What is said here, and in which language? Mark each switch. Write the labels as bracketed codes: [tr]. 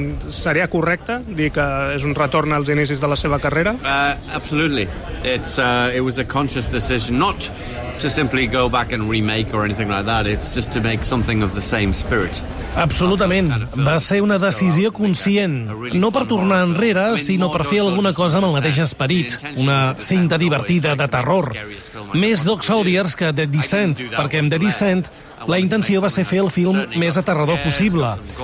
[ca] Seria correcte dir que és un retorn als inicis de la seva carrera? [en] Absolutely. It was a conscious decision not to simply go back and remake or anything like that. It's just to make something of the same spirit. [ca] Absolutament. Va ser una decisió conscient. No per tornar enrere, sinó per fer alguna cosa amb el mateix esperit. Una cinta divertida de terror. Més Dog Soldiers que The Descent, perquè amb The Descent la intenció va ser fer el film més aterrador possible.